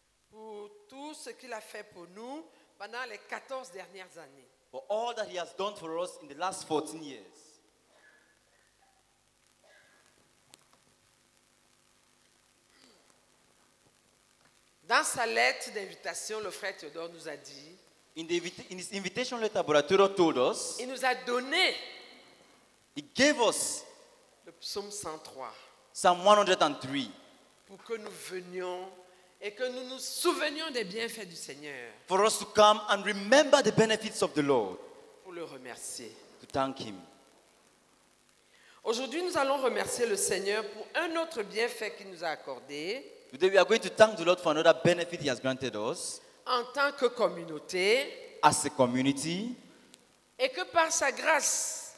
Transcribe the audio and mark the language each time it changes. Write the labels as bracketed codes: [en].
[fr] Pour tout ce qu'il a fait pour nous pendant les 14 dernières années. [en] For all that he has done for us in the last 14 years. [fr] Dans sa lettre d'invitation, le frère Théodore nous a dit. [en] In his invitation letter, Brother Théodore told us. [fr] Il nous a donné. [en] He gave us. [fr] Le psaume 103. [en] Psalm 103. [fr] Pour que nous venions et que nous nous souvenions des bienfaits du Seigneur. [en] For us to come and remember the benefits of the Lord. [fr] Pour le remercier. [en] To thank him. [fr] Aujourd'hui, nous allons remercier le Seigneur pour un autre bienfait qu'il nous a accordé. [en] Today we are going to thank the Lord for another benefit he has granted us. [fr] En tant que communauté. [en] As a community. [fr] Et que par sa grâce.